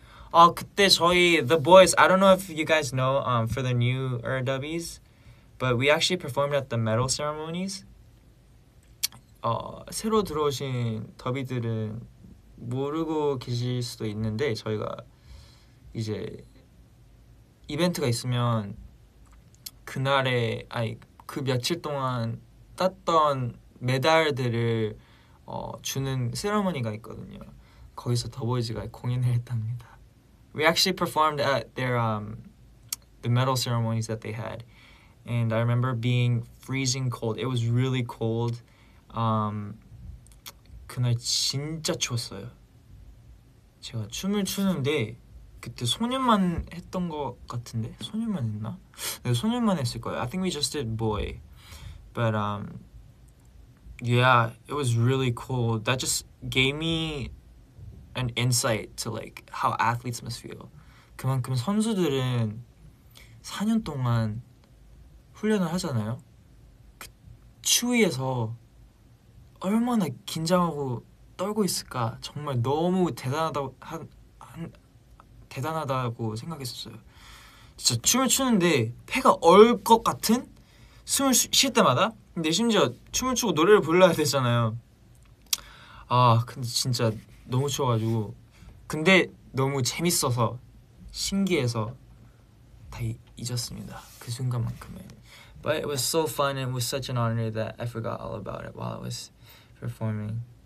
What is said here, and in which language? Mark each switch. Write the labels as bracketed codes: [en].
[ko] 아, 그때 저희 [en] The Boys, I don't know if you guys know for the new RWs, but we actually performed at the medal ceremonies. [ko] 새로 들어오신 더비들은 모르고 계실 수도 있는데 저희가 이제 이벤트가 있으면 그날에 아니 그 며칠 동안 땄던 메달들을 주는 세레머니가 있거든요. 거기서 더보이즈가 공연을 했답니다. [en] We actually performed at their the medal ceremonies that they had, and I remember being freezing cold. It was really cold. [ko] 그날 진짜 추웠어요. 제가 춤을 추는데 그때 소년만 했던 것 같은데 소년만 했나? 네 소년만 했을 거예요. [en] I think we just did boy, but yeah, it was really cool. That just gave me an insight to like how athletes must feel. [ko] 그만큼 선수들은 4년 동안 훈련을 하잖아요. 그 추위에서 얼마나 긴장하고 떨고 있을까. 정말 너무 대단하다고 대단하다고 생각했었어요. 진짜 춤을 추는데 폐가 얼 것 같은 숨을 쉴 때마다. 근데 심지어 춤을 추고 노래를 불러야 되잖아요. 아 근데 진짜 너무 추워가지고 근데 너무 재밌어서 신기해서 다 잊었습니다. 그 순간만큼에. [en] But it was so fun and it was such an honor that I forgot all about it while I was performing.